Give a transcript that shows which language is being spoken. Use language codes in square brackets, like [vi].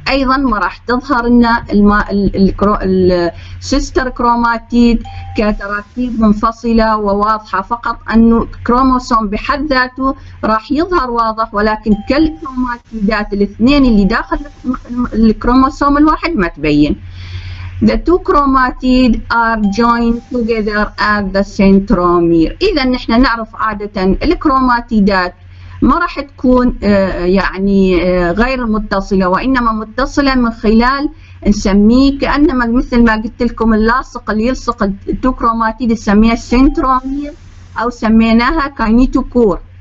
[ar] أيضا ما راح تظهر لنا السيستر كروماتيد كتراكيب منفصلة وواضحة، فقط أنه كروموسوم بحد ذاته راح يظهر واضح، ولكن كل الكروماتيدات الاثنين اللي داخل الكروموسوم الواحد ما تبين. [en] The two chromatids are joined together at the centromere. [ar] إذا نحن نعرف عادة الكروماتيدات ما راح تكون يعني غير متصلة، وإنما متصلة من خلال نسميه كأنما مثل ما قلت لكم اللاصق اللي يلصق التو كروماتيد نسميها سنترومير أو سميناها كاينيتوكور.